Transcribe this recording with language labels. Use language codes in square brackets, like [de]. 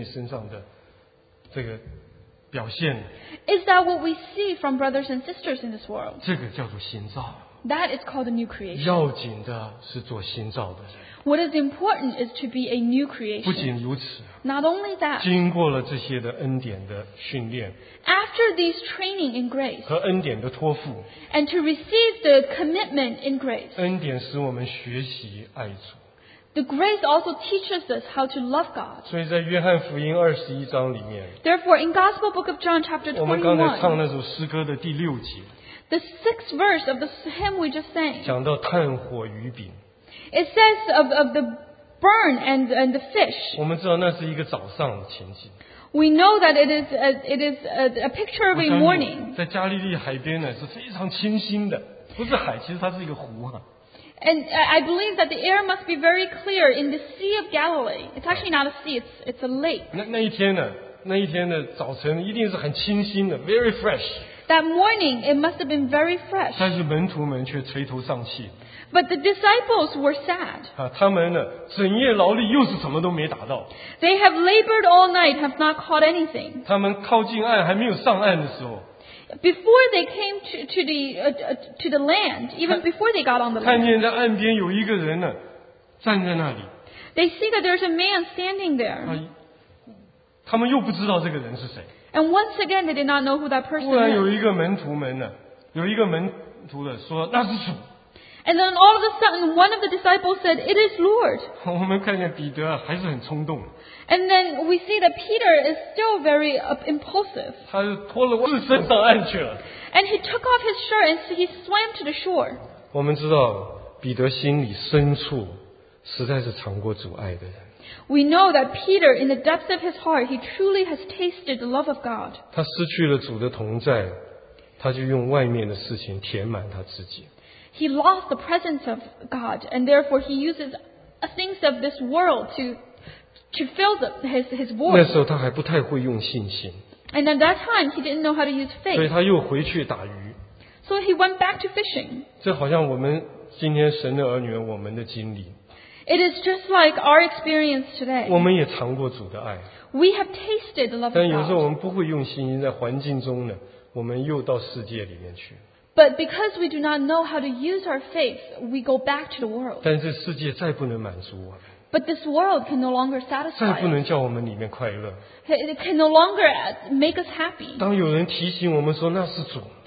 [zh] 这是不是今天在教会里面我们看见弟兄姊妹身上的这个 表现, [en] is that what we see from brothers and sisters in this world? [zh] 这个叫做新造, [en] that is called a new creation. [zh] 要紧的是做新造的人。 [en] What is important is to be a new creation. [zh] 不仅如此, [en] not only that, [zh] 经过了这些的恩典的训练, [en] after these training in grace, [zh] 和恩典的托付, [en] and to receive the commitment in grace, [zh] 恩典使我们学习爱主。 [en] The grace also teaches us how to love God. [zh] 所以在约翰福音21章里面, [en] therefore, in Gospel Book of John, chapter 21, [zh] 我们刚才唱那首诗歌的第六节, [en] the sixth verse of the hymn we just sang, [zh] 讲到炭火与饼, [en] it says of the burn and the fish. [zh] 我们知道那是一个早上的情景。 [en] We know that it is a picture of a morning. [zh] 在加利利海边呢, 是非常清新的, 不是海, 其实它是一个湖啊。 [en] And I believe that the air must be very clear in the Sea of Galilee. It's actually not a sea, it's a lake. [zh] 那一天呢, 那一天的早晨一定是很清新的 ， [en] very fresh。 That morning it must have been very fresh. [zh] 但是门徒们却垂头丧气。 [en] But the disciples were sad. [zh] 啊，他们呢，整夜劳力又是什么都没达到。 [en] They have labored all night, have not caught anything. [zh] 他们靠近岸还没有上岸的时候。 [en] Before they came to the land, even before they got on the land. [zh] 看见在岸边有一个人呢，站在那里。 [en] They see that there's a man standing there. [zh] 啊，他们又不知道这个人是谁。 [en] And once again, they did not know who that person was. [zh] 突然有一个门徒们呢，有一个门徒的说那是主。 [en] And then all of a sudden, one of the disciples said, "It is Lord." [zh] 我们看见彼得还是很冲动。 [en] And then we see that Peter is still very impulsive. [zh] 他脱了自身上岸去了。 [en] And he took off his shirt and he swam to the shore. [zh] 我们知道彼得心里深处实在是尝过主爱的人。 [en] We know that Peter, in the depths of his heart, he truly has tasted the love of God. [zh] 他失去了主的同在，他就用外面的事情填满他自己。 [en] He lost the presence of God, and therefore he uses things of this world to fill his void. [zh] 那时候他还不太会用信心。 [en] And at that time, he didn't know how to use faith. [zh] 所以他又回去打鱼。 [en] So he went back to fishing. [zh] 这好像我们今天神的儿女们，我们的经历。 [en] It is just like our experience today. [zh] 我们也尝过主的爱。 [en] We have tasted the love of God. [zh] 但有时候我们不会用信心，在环境中呢，我们又到世界里面去。 [en] But because we do not know how to use our faith, we go back to the world. [zh] 但这世界再不能满足我们。 [en] But this world can no longer satisfy us. [zh] 再不能叫我们里面快乐。 [en] It can no longer make us happy. [zh] 当有人提醒我们说那是主。